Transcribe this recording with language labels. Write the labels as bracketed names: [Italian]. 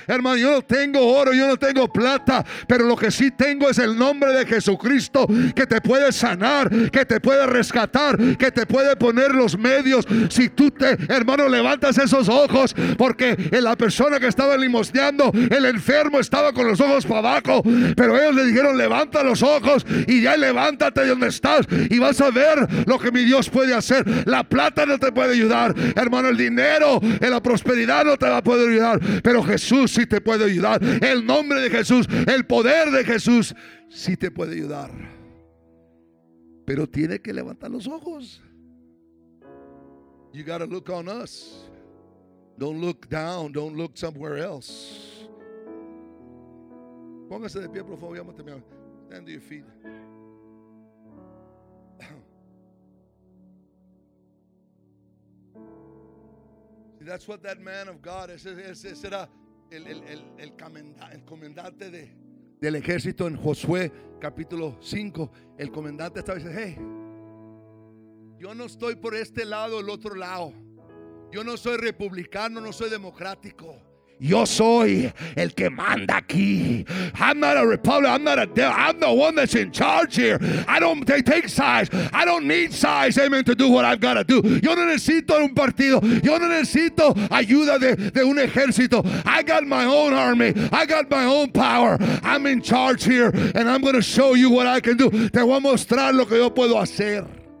[Spanish] Hermano, yo no tengo oro, yo no tengo plata, pero lo que sí tengo es el nombre de Jesucristo, que te puede sanar, que te puede rescatar, que te puede poner los medios. Si tú te, hermano, levantas esos ojos, porque la persona que estaba limosneando, el enfermo, estaba con los ojos para abajo, pero ellos le dijeron, levanta los ojos y ya levántate de donde estás y vas a ver lo que mi Dios puede hacer. La plata no te puede ayudar, hermano, el dinero, la prosperidad no te va a poder ayudar, pero Jesús sí te puede ayudar, el nombre de Jesús, el poder de Jesús sí te puede ayudar, pero tiene que levantar los ojos. [English] You gotta look on us, don't look down, don't look somewhere else. [Spanish] Póngase de pie, por favor, vamos a terminar. [English] Stand to your feet. That's what that man of God, [Spanish] ese era el comandante del ejército en Josué capítulo 5. El comandante estaba diciendo, hey, yo no estoy por este lado o el otro lado. Yo no soy republicano, no soy democrático. Yo soy el que manda aquí. [English] I'm not a republic. I'm not a devil. I'm the one that's in charge here. I don't take sides. I don't need sides, amen, to do what I've got to do. [Spanish] Yo no necesito un partido. Yo no necesito ayuda de un ejército. [English] I got my own army. I got my own power. I'm in charge here, and I'm going to show you what I can do. [Spanish] Te voy a mostrar lo que yo puedo hacer.